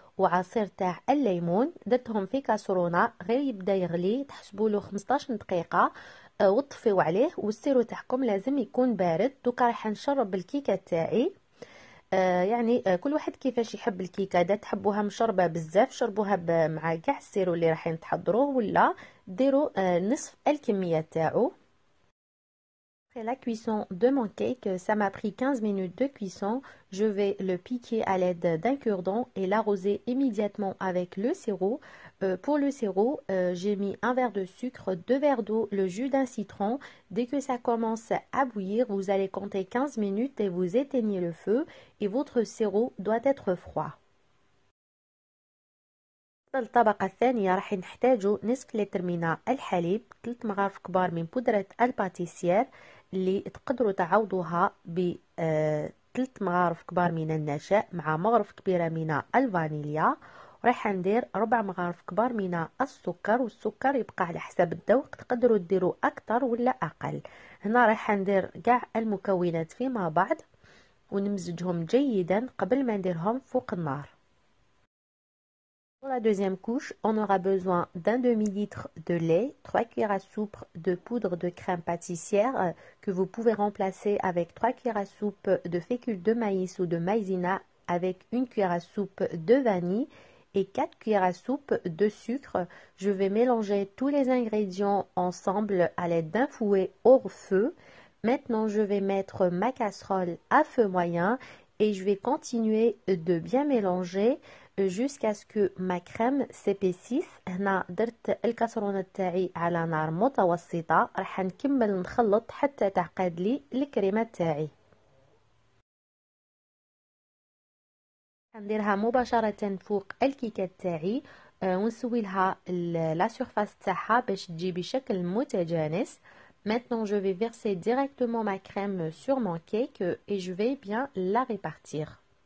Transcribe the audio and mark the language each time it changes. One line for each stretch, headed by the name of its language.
Arabic: وعصير تاع الليمون، درتهم في كاسرونة غير يبدا يغلي، تحسبوا له 15 دقيقة وتطفيو عليه، والسيرو تاعكم لازم يكون بارد. دوكا راح نشرب الكيكة تاعي. يعني كل واحد كيفاش يحب الكيكة، اذا تحبوها مشربة بزاف شربوها مع كاع السيرو اللي راح تحضروه، ولا ديروا نصف الكمية تاعو.
French: Après la cuisson de mon cake, ça m'a pris 15 minutes de cuisson. Je vais le piquer à l'aide d'un cure-dent et l'arroser immédiatement avec le sirop. Pour le sirop, j'ai mis un verre de sucre, deux verres d'eau, le jus d'un citron. Dès que ça commence à bouillir, vous allez compter 15 minutes et vous éteignez le feu. Et votre sirop doit être froid.
Arabic: الطبقة الثانية راح نحتاجو نصف لتر من الحليب، 3 مغارف كبار من بودرة الباتيسير اللي تقدروا تعوضوها ب 3 مغارف كبار من النشا مع مغرف كبيرة من الفانيليا. راح ندير 4 مغارف كبار من السكر، والسكر يبقى على حسب الذوق، تقدروا تديروا أكثر ولا أقل. هنا راح ندير كاع المكونات فيما بعض ونمزجهم جيدا قبل ما نديرهم فوق النار.
French: Pour la deuxième couche, on aura besoin d'un demi-litre de lait, 3 cuillères à soupe de poudre de crème pâtissière que vous pouvez remplacer avec 3 cuillères à soupe de fécule de maïs ou de maïzena, avec 1 cuillère à soupe de vanille et 4 cuillères à soupe de sucre. Je vais mélanger tous les ingrédients ensemble à l'aide d'un fouet hors feu. Maintenant, je vais mettre ma casserole à feu moyen et je vais continuer de bien mélanger jusqu'à ce que ma crème s'épaississe.
Arabic: هنا درت الكاسرونة تاعي على نار متوسطة، راح نكمل نخلط حتى تعقد لي الكريمة تاعي. نديرها مباشرة فوق الكيكة تاعي ونسوي لها لا سيرفاس تاعها باش تجي بشكل متجانس.
French: Maintenant, je vais verser directement ma crème sur mon cake et je vais bien la répartir.